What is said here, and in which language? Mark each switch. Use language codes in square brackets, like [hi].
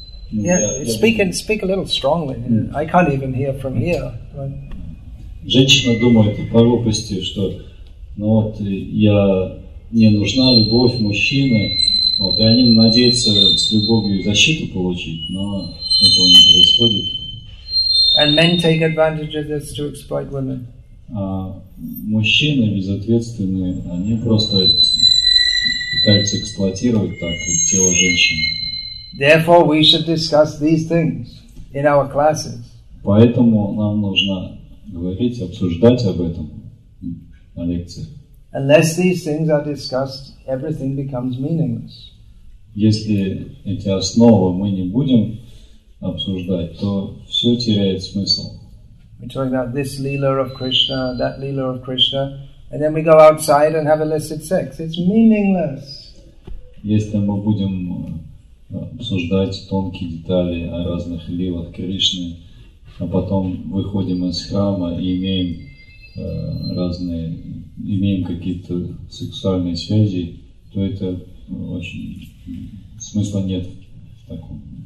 [en] Yeah, speak a little strongly. I can't even hear from here. [ru] Женщина думает по глупости, что ну вот я не нужна любовь мужчины. Вот, и они надеются с любовью защиту получить, но этого не происходит. [en] And men take advantage of this to exploit women. [ru] А мужчины безответственные, они просто пытаются эксплуатировать так тело женщины. [en] Therefore, we should discuss these things in our classes. [ru] Поэтому нам нужно говорить, обсуждать об этом на лекциях. [en] Unless these things are discussed, everything becomes meaningless. [ru] Если эти основы мы не будем обсуждать, то все теряет смысл. [en] We talk about this lila of Krishna, that lila of Krishna, and then we go outside and have illicit sex. It's meaningless. [ru] Если мы будем обсуждать тонкие детали о разных лилах Кришны, а потом выходим из храма и имеем какие-то сексуальные связи, то это очень смысла нет в таком.